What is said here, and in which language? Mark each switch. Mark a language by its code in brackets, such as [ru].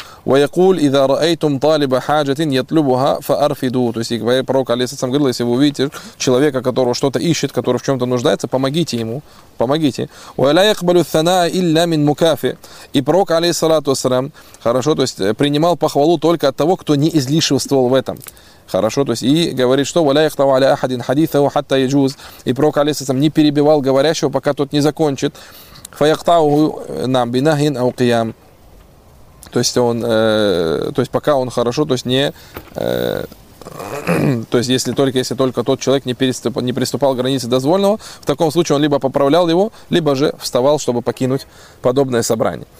[ar] وَيَقُولُ إِذَا رَأَيْتُمْ طَالِبَ حَاجَةٍ يَطْلُبُهَا فَأَرْفِدُوا. [ru] То есть пророк, алейхиссалям, говорил, если вы увидите человека, которого что-то ищет, который в чем-то нуждается, помогите ему, помогите. [ar] وَلَا يَقْبَلُ الثَّنَاءَ إِلَّا مِنْ مُكَافِئٍ. [ru] И пророк, алейхиссалату вассалям, хорошо, то есть принимал похвалу только от того, кто не излишествовал в этом. Хорошо, то есть и говорит, что [ar] وَلَا يَقْطَعُ عَلَى أَحَدٍ حَدِيثَهُ حَتَّى يَجُوزَ. [ru] И пророк, алейхиссалам, не перебивал говорящего, пока тот не закончит. [ar] فَيَقْطَعُهُ نَعْم بِنَهْيٍ أَوْ قِيَام. [ru] То есть он, то есть пока он хорошо, то есть не, то есть если только тот человек не приступал к границе дозволенного, в таком случае он либо поправлял его, либо же вставал, чтобы покинуть подобное собрание.